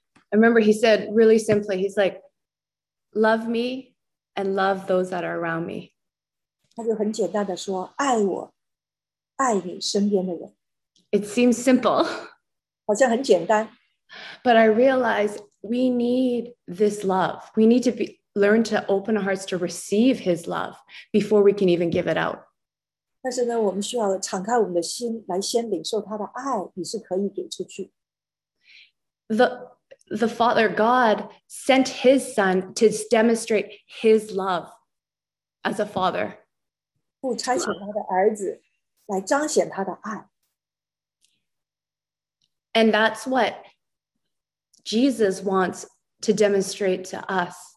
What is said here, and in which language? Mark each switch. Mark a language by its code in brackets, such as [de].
[en] I remember he said really simply, he's like, love me, and love those that are around me. [zh] 他就很简单地说, 爱我, 爱你身边的人。 [en] It seems simple. [zh] 好像很简单。 [en] But I realize we need this love. We need to learn to open our hearts to receive his love before we can even give it out. [zh] 但是呢, 我们需要敞开我们的心, 来先领受他的爱, 你是可以给出去。 [en] The Father God sent his son to demonstrate his love as a father. [zh] 父差遣他的儿子来彰显他的爱。 [en] And that's what Jesus wants to demonstrate to us.